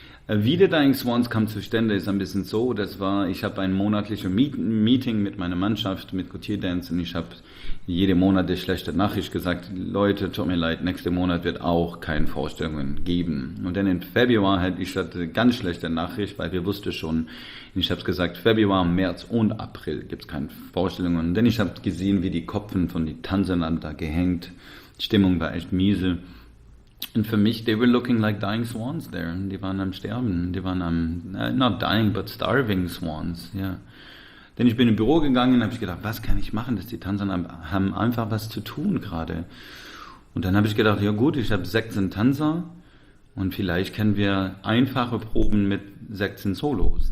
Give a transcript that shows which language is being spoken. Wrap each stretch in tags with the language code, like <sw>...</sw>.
<de>Wie der Dying Swans kam zustande, ist ein bisschen so, ich habe ein monatliches Meeting mit meiner Mannschaft, mit Gautier Dance und ich habe jeden Monat eine schlechte Nachricht gesagt, Leute, tut mir leid, nächsten Monat wird auch keine Vorstellungen geben. Und dann im Februar hatte ich eine ganz schlechte Nachricht, weil wir wussten schon, ich habe gesagt, Februar, März und April gibt es keine Vorstellungen. Und dann ich habe gesehen, wie die Köpfe von den Tänzern da gehängt, die Stimmung war echt miese. Und für mich,</de> <en>they were looking like dying swans there.</en> <de>Die waren am Sterben. Die waren am,</de> <en>not dying, but starving swans.</en> <de>Ja. Yeah. Denn ich bin im Büro gegangen und habe gedacht, was kann ich machen? Dass die Tänzer haben einfach was zu tun gerade. Und dann habe ich gedacht, ja gut, ich habe 16 Tänzer und vielleicht können wir einfache Proben mit 16 Solos.</de>